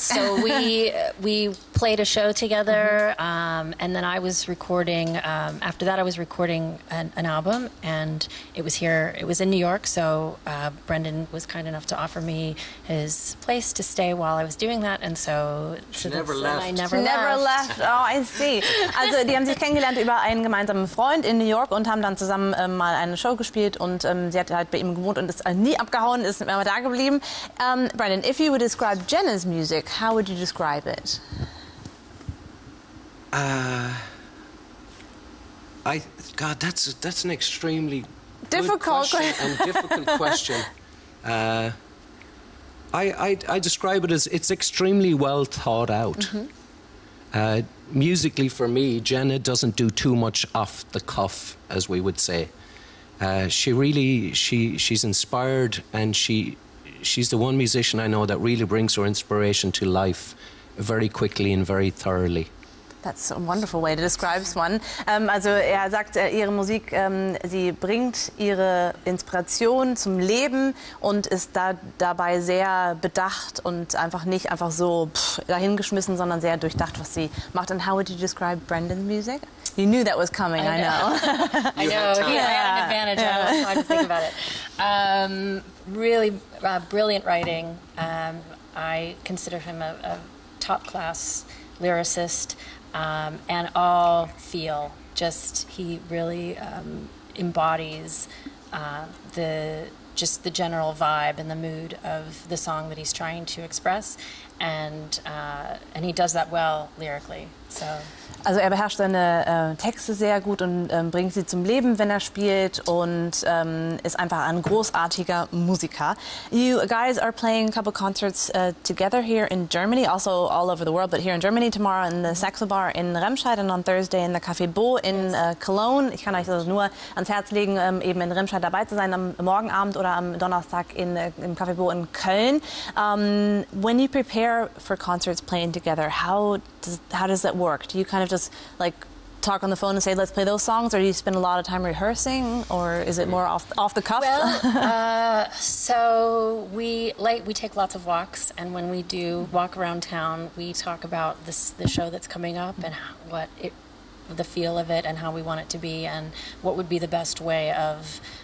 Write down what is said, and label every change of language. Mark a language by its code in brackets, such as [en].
[en] Yes, so we played a show together, mm-hmm. And then I was recording, after that I was recording an album, and it was in New York, so Brendan was kind enough to offer me his place to stay while I was doing that, and so... She never left. Oh, I see. [de] Also, die haben sich kennengelernt über einen gemeinsamen Freund in New York und haben dann zusammen mal eine Show gespielt, und sie hat halt bei ihm gewohnt und ist nie abgehauen, ist immer da geblieben. [en] Brendan, if you would describe Jenna's music, how would you describe it? That's an extremely difficult good question. And difficult question. I describe it as it's extremely well thought out. Mm-hmm. Musically, for me, Jenna doesn't do too much off the cuff, as we would say. She's inspired, and she's the one musician I know that really brings her inspiration to life very quickly and very thoroughly. That's a wonderful way to describe one. [de] Also er sagt, ihre Musik, sie bringt ihre Inspiration zum Leben und ist dabei sehr bedacht und einfach nicht einfach so dahingeschmissen, sondern sehr durchdacht, was sie macht. [en] And how would you describe Brendan's music? You knew that was coming, I know. I know, yeah. I had an advantage, yeah. I don't want to think about it. Really brilliant writing. I consider him a top-class lyricist. And all feel, just he really embodies the general vibe and the mood of the song that he's trying to express, and he does that well lyrically. So. [de] Also er beherrscht seine Texte sehr gut und bringt sie zum Leben, wenn er spielt, und ist einfach ein großartiger Musiker. [en] You guys are playing a couple concerts together here in Germany, also all over the world, but here in Germany tomorrow in the Saxo Bar in Remscheid and on Thursday in the Café Bo in Cologne. [de] Ich kann euch das nur ans Herz legen, eben in Remscheid dabei zu sein, am Morgenabend oder am Donnerstag im Café Bo in Köln. [en] When you prepare for concerts playing together, how does that work? Do you kind of just like talk on the phone and say, let's play those songs, or do you spend a lot of time rehearsing, or is it more off the cuff? Well, so we take lots of walks, and when we do walk around town, we talk about the show that's coming up and the feel of it and how we want it to be and what would be the best way of